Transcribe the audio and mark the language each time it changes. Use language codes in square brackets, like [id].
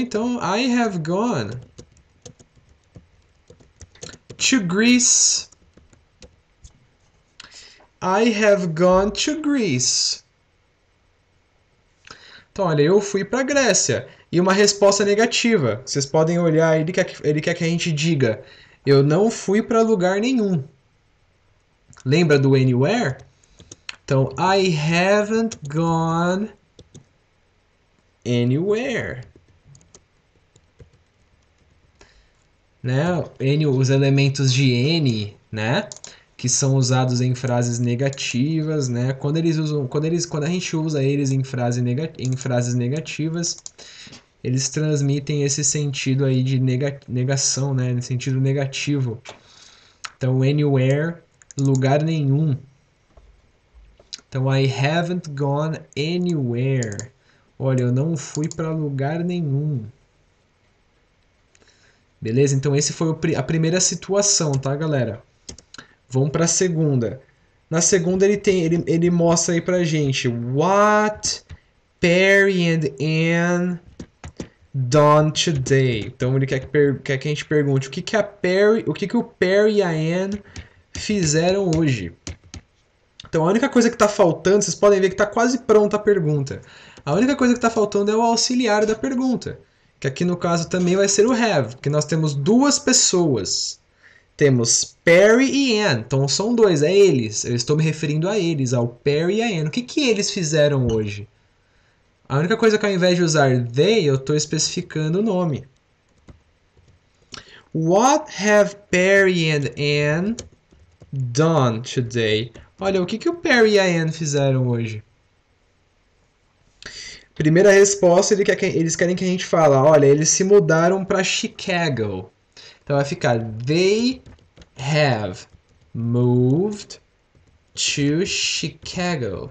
[en] Então, I have gone to Greece. I have gone to Greece. [pt] Então, olha, eu fui para Grécia. e uma resposta negativa. Vocês podem olhar, ele quer que a gente diga: eu não fui para lugar nenhum. Lembra do anywhere? [en] Então, I haven't gone anywhere. [pt] Né? N, os elementos de N, né? Que são usados em frases negativas, né? Quando a gente usa eles em frases negativas, eles transmitem esse sentido aí de negação, né? No sentido negativo. Então, anywhere, lugar nenhum. [en] Então, I haven't gone anywhere. [pt] Olha, eu não fui para lugar nenhum. Beleza? Então, esse foi a primeira situação, tá, galera? Vamos para a segunda. Na segunda ele mostra aí pra gente: [en] What Perry and Anne done today? [pt] Então ele quer que a gente pergunte: o que que o Perry e a Anne fizeram hoje? Então a única coisa que tá faltando, vocês podem ver que tá quase pronta a pergunta. A única coisa que tá faltando é o auxiliar da pergunta, que aqui no caso também vai ser o have, que nós temos duas pessoas. Temos Perry e Anne. Então são dois, é eles. Eu estou me referindo a eles, ao Perry e a Anne. O que que eles fizeram hoje? A única coisa que ao invés de usar they, eu estou especificando o nome. [en] What have Perry and Anne done today? [pt] Olha, o que que o Perry e a Anne fizeram hoje? Primeira resposta, eles querem que a gente fale: olha, eles se mudaram para Chicago. Então vai ficar: [en] they have moved to Chicago.